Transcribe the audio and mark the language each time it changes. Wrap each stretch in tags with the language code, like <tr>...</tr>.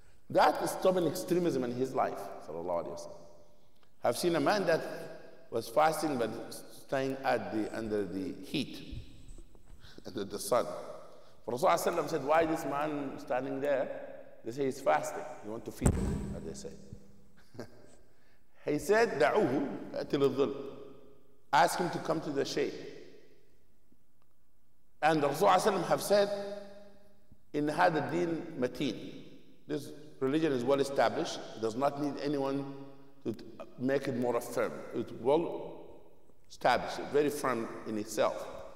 <en>That is stubborn extremism in his life, sallallahu alayhi wa sallam. I've seen a man that was fasting but staying under the heat, under the sun. Rasulullah said, why this man standing there? They say he's fasting. You want to feed him, as they say.</en> <ar>He said, دعوه يأتي للظلم.</ar> <en>Ask him to come to the shade. And Rasulullah have said,</en> <ar>in hada deen mateen,</ar> <en>this religion is well established, does not need anyone to make it more firm. It's well established, very firm in itself.</en>